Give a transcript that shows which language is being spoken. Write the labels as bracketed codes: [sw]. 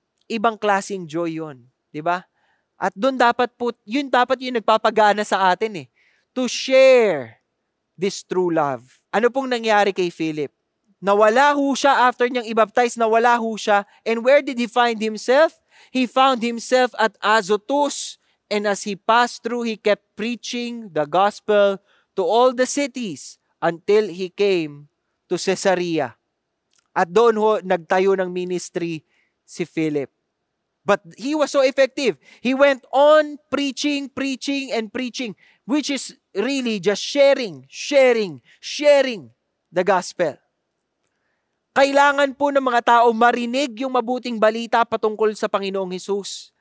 [tl] Ibang klaseng joy yun. Diba? At doon dapat po, yun dapat yung nagpapagana sa atin eh. [en] To share this true love. [tl] Ano pong nangyari kay Philip? Nawala ho siya after niyang ibaptize, nawala ho siya. [en] And where did he find himself? He found himself at Azotus, and as he passed through, he kept preaching the gospel to all the cities until he came to Caesarea. [tl] At doon ho nagtayo ng ministry si Philip. [en] But he was so effective. He went on preaching and preaching, which is really just sharing the gospel. [tl] Kailangan po ng mga tao marinig yung mabuting balita patungkol sa Panginoong Hesus.